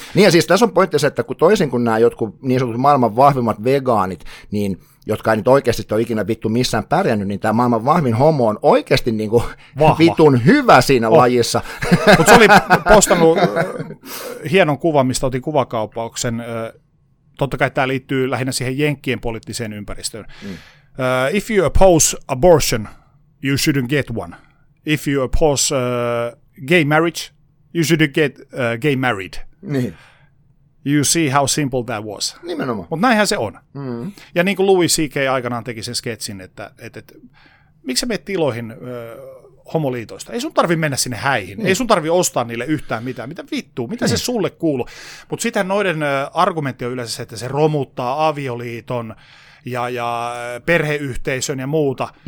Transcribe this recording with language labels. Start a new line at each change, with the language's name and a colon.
Finnish: Niin ja siis tässä on pointti se, että kun toisin kuin nämä jotkut niin sanotut maailman vahvimmat vegaanit, niin jotka ei nyt oikeasti ole ikinä vittu missään pärjännyt, niin tämä maailman vahvin homo on oikeasti niin kuin vitun hyvä siinä lajissa. Mutta se oli postannut hienon kuvan, mistä otin kuvakaupauksen. Totta kai tämä liittyy lähinnä siihen jenkkien poliittiseen ympäristöön.
English: If you oppose abortion, you shouldn't get one. If you oppose gay marriage, you shouldn't get gay married.
Finnish: Niin.
English: you see how simple that was.
Finnish: Nimenomaan. Mutta näinhän se on. Mm. Ja niin kuin Louis C.K. aikanaan teki sen sketsin, että miksi sä meet tiloihin homoliitoista? Ei sun tarvi mennä sinne häihin. Mm. Ei sun tarvi ostaa niille yhtään mitään. Mitä vittua? Mitä se sulle kuuluu? Mutta sitten noiden argumentti on yleensä se, että se romuttaa avioliiton ja perheyhteisön ja muuta.